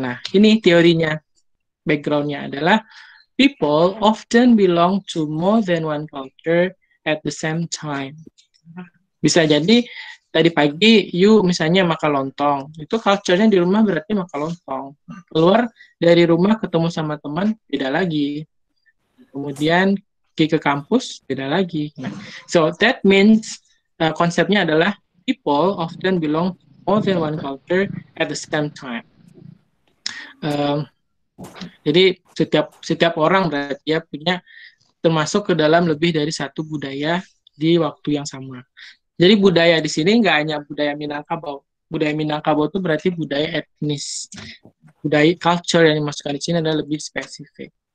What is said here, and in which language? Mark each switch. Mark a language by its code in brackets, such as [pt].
[id] Nah, ini teorinya, background-nya adalah [en] people often belong to more than one culture at the same time. [id] Bisa jadi tadi pagi you misalnya makan lontong, itu culture-nya di rumah berarti makan lontong. Keluar dari rumah ketemu sama teman, beda lagi. Kemudian ke kampus, beda lagi. [en] Nah, so that means [id] konsepnya adalah [en] people often belong more than one culture at the same time. [id] Jadi setiap orang berarti ya punya, termasuk ke dalam lebih dari satu budaya di waktu yang sama. Jadi budaya di sini nggak hanya budaya Minangkabau. Budaya Minangkabau itu berarti budaya etnis, budaya culture yang dimasukkan di sini adalah lebih spesifik.